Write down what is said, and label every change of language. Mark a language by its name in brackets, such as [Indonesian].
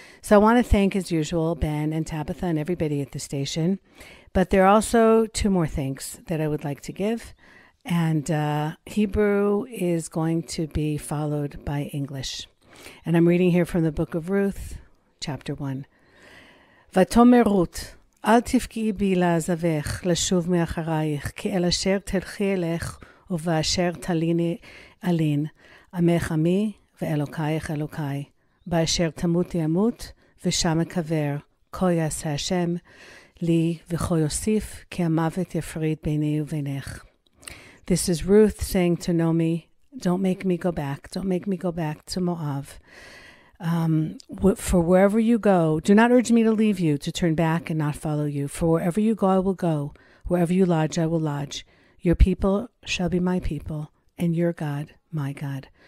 [English] So I want to thank, as usual, Ben and Tabitha and everybody at the station. But there are also two more thanks that I would like to give. And Hebrew is going to be followed by English. And I'm reading here from the book of Ruth, chapter 1. [Hebrew] ותאמר רות, אל תפקיעי בי לעזבך, לשוב מאחרייך, כי אל אשר תלכי אלך, ובאשר תליני אלין, עמך עמי ואלוקייך אלוקי, באשר תמות ימות, ושם הקבר, כה יעשה השם, לי וכה יוסיף, כי המוות יפריד ביני ובינך. [English] This is Ruth saying to Naomi, don't make me go back, don't make me go back to Moab. For wherever you go, do not urge me to leave you, to turn back and not follow you. For wherever you go, I will go. Wherever you lodge, I will lodge. Your people shall be my people, and your God, my God.